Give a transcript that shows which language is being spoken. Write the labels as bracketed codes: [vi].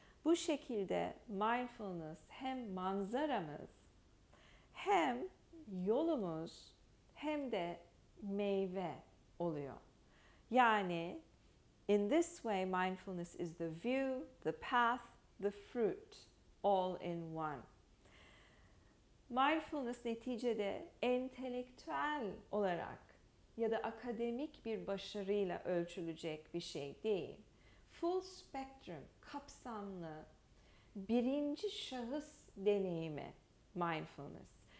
[tr] Bu şekilde mindfulness hem manzaramız, hem yolumuz, hem de meyve oluyor. [en] Yani in this way, mindfulness is the view, the path, the fruit, all in one. [tr] Mindfulness neticede entelektüel olarak ya da akademik bir başarıyla ölçülecek bir şey değil. [en] Full spectrum, [tr] kapsamlı, birinci şahıs deneyimi mindfulness.